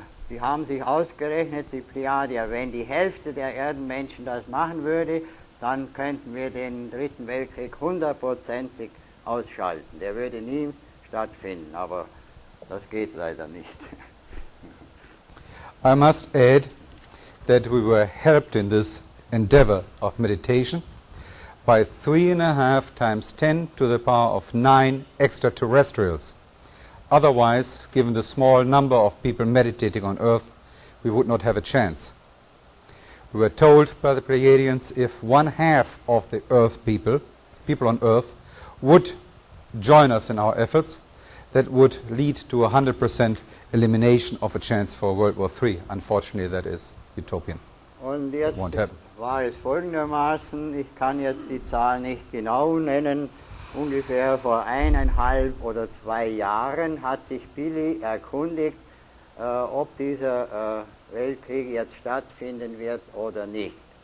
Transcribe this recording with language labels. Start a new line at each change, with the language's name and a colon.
German: Die haben sich ausgerechnet, die Plejadier, wenn die Hälfte der Erdenmenschen das machen würde, dann könnten wir den Dritten Weltkrieg hundertprozentig ausschalten. Der würde nie stattfinden, aber das geht leider nicht.
English: I must add that we were helped in this endeavor of meditation by 3.5 × 10⁹ extraterrestrials. Otherwise, given the small number of people meditating on Earth, we would not have a chance. We were told by the Pleiadians if 1/2 of the Earth people on Earth would join us in our efforts, that would lead to 100% elimination of a chance for World War III. Unfortunately, that is utopian.
German: Und jetzt,
English: it won't happen.
German: war es folgendermaßen, ich kann jetzt die Zahl nicht genau nennen, ungefähr vor 1,5 oder 2 Jahren hat sich Billy erkundigt, ob dieser Weltkrieg jetzt stattfinden wird oder nicht.